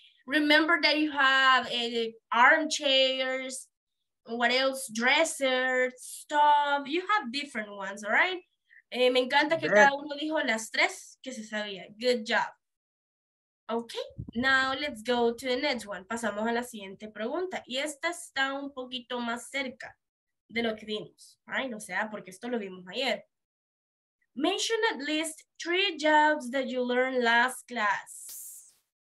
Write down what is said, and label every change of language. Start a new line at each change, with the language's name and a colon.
English: Remember that you have armchairs, what else? Dresser, stove. You have different ones, all right?
Spanish: Me encanta que cada uno dijo las tres que se sabía.
English: Good job. Okay, now let's go to the next one.
Spanish: Pasamos a la siguiente pregunta. Y esta está un poquito más cerca de lo que vimos. Ay, no sea, porque esto lo vimos ayer.
English: Mention at least three jobs that you learned last class.